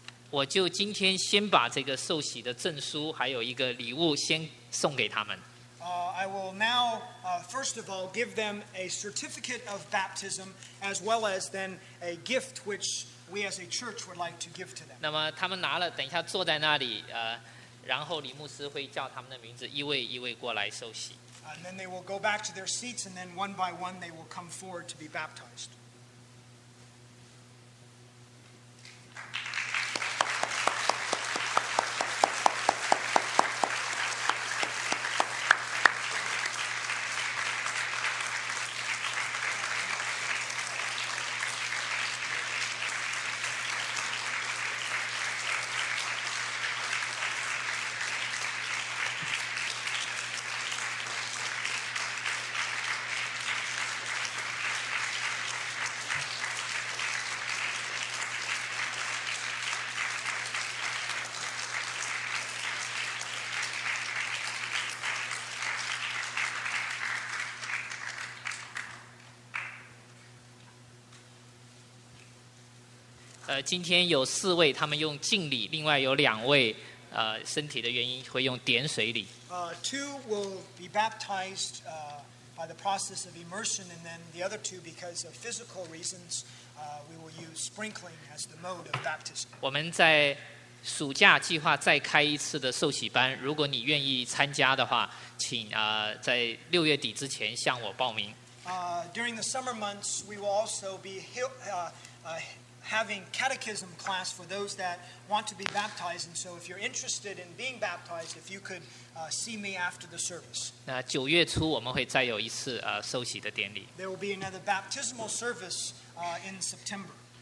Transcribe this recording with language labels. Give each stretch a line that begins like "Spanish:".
Chinese: 我就今天先把这个受洗的证书还有一个礼物先送给他们。
English: I will now first of all give them a certificate of baptism as well as then a gift whichWe as a church would like to give to them.
Chinese: 那么他们拿了，等一下坐在那里，然后李牧师会叫他们的名字，一位一位过来受洗。
English: And then they will go back to their seats, and then one by one they will come forward to be baptized.
Chinese: 今天有四位，他们用敬礼，另外有两位身体的原因会用点水礼。
English: Two will be baptized by the process of immersion, and then the other two, because of physical reasons, we will use sprinkling as the mode of baptism.
Chinese: 我们在暑假计划再开一次的受洗班，如果你愿意参加的话，请在六月底之前向我报名。
English: During the summer months, we will also be having catechism class for those that want to be baptized. And so, if you're interested in being baptized, if you could see me after the service.
Chinese: 那九月初我们会再有一次受洗的典礼。
English: There will be another baptismal service in September.